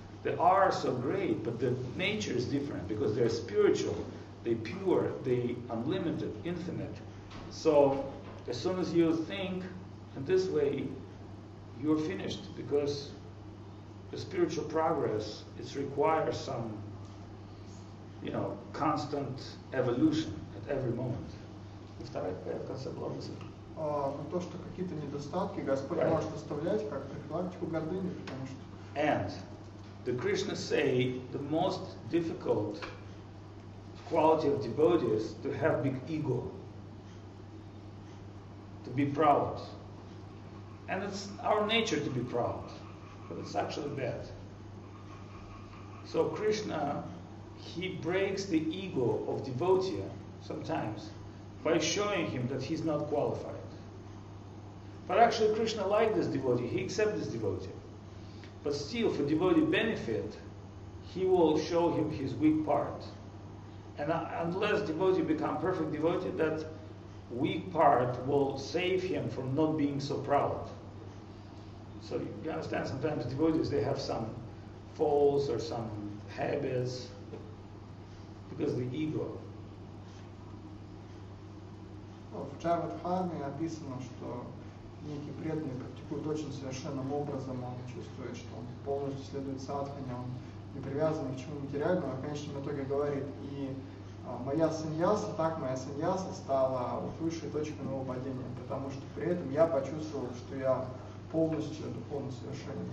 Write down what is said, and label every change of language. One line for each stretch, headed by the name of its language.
English: They are so great, but the nature is different because they're spiritual, they're pure, they're unlimited, infinite. So as soon as you think, and this way, you're finished because The spiritual progress, it requires some, you know, constant evolution at every moment.
Russian: И вторая такая в конце блогится. То, что какие-то недостатки Господь может оставлять как профилактику гордыни, потому что.
English: And the Krishna say the most difficult quality of devotees to have big ego, to be proud. And it's our nature to be proud, but it's actually bad. So Krishna, he breaks the ego of devotee sometimes by showing him that he's not qualified. But actually Krishna liked this devotee, he accepted this devotee. But still, for devotee benefit, he will show him his weak part. And unless devotee become perfect devotee, that weak part will save him from not being so proud. So you understand, sometimes devotees, they have some faults or some habits because of the ego.
Russian: В Джавадхаме описано, что некий преданный практикует очень совершенным образом, он чувствует, что он полностью следует садхане, он не привязан ни к чему материальному, а в конечном итоге говорит, и моя саньяса, так моя саньяса стала вот высшей точкой моего падения, потому что при этом я почувствовал, что я полностью духовно совершенен.